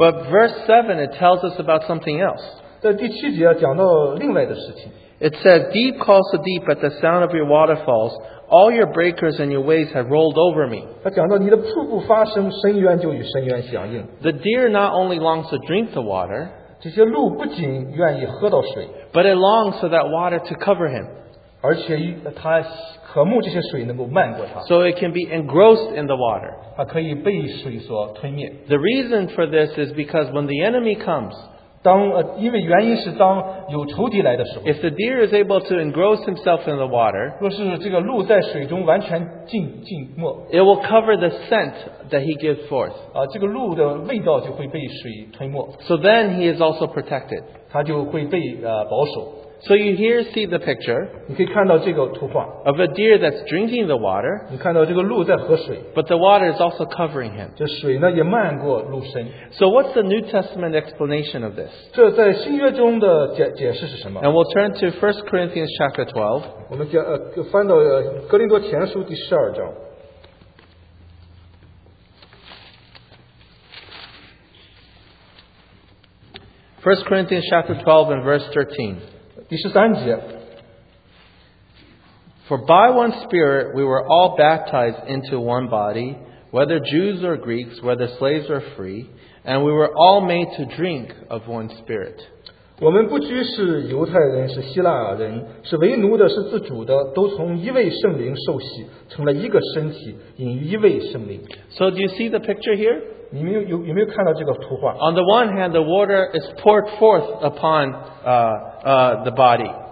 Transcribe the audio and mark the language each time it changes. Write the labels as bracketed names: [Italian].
[English] but verse 7, it tells us about something else. [Chinese] 在第七节讲到另外的事情。 [English] It says, deep calls the deep at the sound of your waterfalls. All your breakers and your waves have rolled over me. [Chinese] 他讲到你的瀑布发声，深渊就与深渊响应。 [English] The deer not only longs to drink the water, [Chinese] 这些鹿不仅愿意喝到水, [English] but it longs for that water to cover him. [Chinese] 而且他渴慕这些水能够漫过他, [English] so it can be engrossed in the water. [Chinese] 他可以被水所吞灭。 [English] The reason for this is because when the enemy comes, [Chinese] 因为原因是当有仇敌来的时候, [English] if the deer is able to engross himself in the water, [Chinese] 若是这个鹿在水中完全浸没, [English] it will cover the scent that he gives forth. [Chinese] 这个鹿的味道就会被水吞没, [English] so then he is also protected. [Chinese] 他就会被, [English] so you here see the picture of a deer that's drinking the water, but the water is also covering him. [Chinese] 这水呢, [English] so what's the New Testament explanation of this? [Chinese] 这在新约中的解释是什么? [English] And we'll turn to 1 Corinthians chapter 12. [Chinese] 我们翻到哥林多前书第十二章。 [English] 1 Corinthians chapter 12 and verse 13. [Chinese] 第十三节, [English] For by one Spirit we were all baptized into one body, whether Jews or Greeks, whether slaves or free, and we were all made to drink of one Spirit. [Chinese] 我们不拘是犹太人,是希腊人,是为奴的,是自主的, 都从一位圣灵受洗, 成了一个身体, 饮一位圣灵。 [English] So do you see the picture here? [Chinese] 你们有没有看到这个图画? [English] On the one hand, the water is poured forth upon the body.